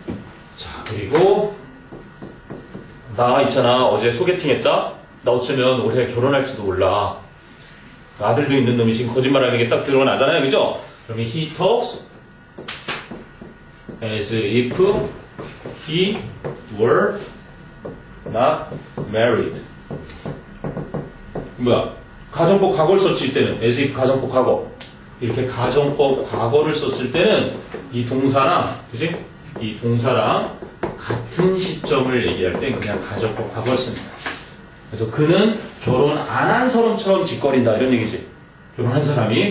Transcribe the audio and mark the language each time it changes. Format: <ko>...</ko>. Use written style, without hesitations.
<ko>오케이? 자 그리고 나 있잖아 어제 소개팅했다? 나 없으면 올해 결혼할지도 몰라. 아들도 있는 놈이 지금 거짓말하는 게 딱 드러나잖아요, 그죠? 그러면</ko> <en>he talks as if he were not married.</en> <ko>뭐야? 가정법 과거를 썼을 때는 as if 가정법 과거 이렇게 가정법 과거를 썼을 때는 이 동사랑 그지? 이 동사랑 같은 시점을 얘기할 때 그냥 가정법 과거 씁니다. 그래서 그는 결혼 안 한 사람처럼 짓거린다 이런 얘기지. 결혼한 사람이.</ko>